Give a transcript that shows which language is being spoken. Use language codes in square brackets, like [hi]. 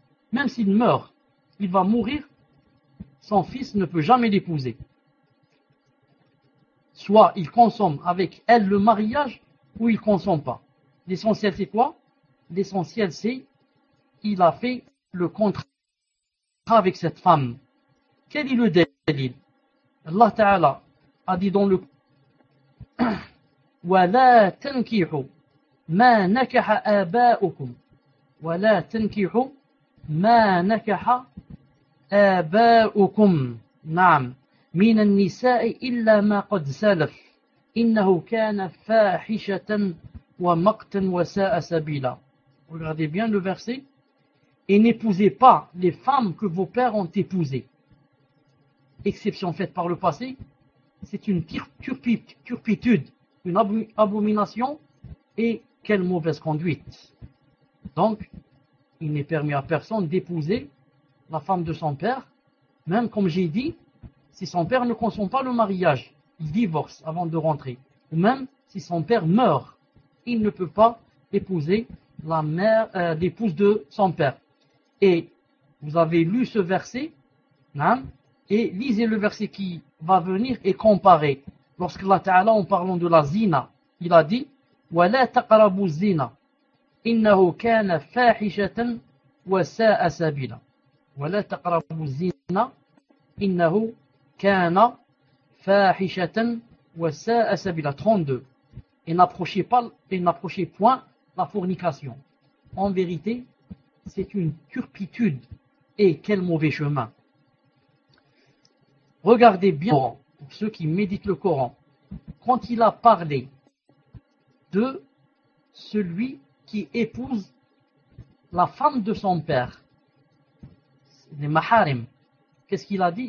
[fr] Même s'il meurt, il va mourir, son fils ne peut jamais l'épouser. Soit il consomme avec elle le mariage, ou il ne consomme pas. L'essentiel c'est quoi? L'essentiel c'est il a fait le contrat avec cette femme. Quel est le délit? Allah Ta'ala a dit dans le [ar] وَلَا تَنْكِحُوا مَا نَكَحَ آبَاؤُكُمْ وَلَا تَنْكِحُوا مَا نَكَحَ آبَاؤُكُمْ نعم مِنَ النِّسَاءِ إِلَّا مَا قَدْ سَلَفْ إِنَّهُ كَانَ فَاحِشَةً وَمَقْتًا وَسَاءَ سَبِيلًا. [fr] Regardez bien le verset. Et n'épousez pas les femmes que vos pères ont épousées. Exception faite par le passé, c'est une turpitude, une abomination et quelle mauvaise conduite. Donc, il n'est permis à personne d'épouser la femme de son père, même comme j'ai dit, si son père ne consent pas le mariage. Il divorce avant de rentrer. Ou même si son père meurt, il ne peut pas épouser la mère, l'épouse de son père. Et vous avez lu ce verset, et lisez le verset qui va venir et comparez. Lorsque Allah Ta'ala, en parlant de la zina, il a dit [ar] وَلَا تَقْرَبُوا الزِّنَا إِنَّهُ كَانَ فَاحِشَةً وَسَاءَ سَبِيلًا وَلَا تَقْرَبُوا الزِّنَا إِنَّهُ كَانَ فَاحِشَةً وَسَاءَ سَبِيلًا. [fr] 32. Et n'approchez point la fornication. En vérité, c'est une turpitude. Et quel mauvais chemin. Regardez bien, pour ceux qui méditent le Coran, quand il a parlé de celui qui épouse la femme de son père, les maharim, qu'est-ce qu'il a dit?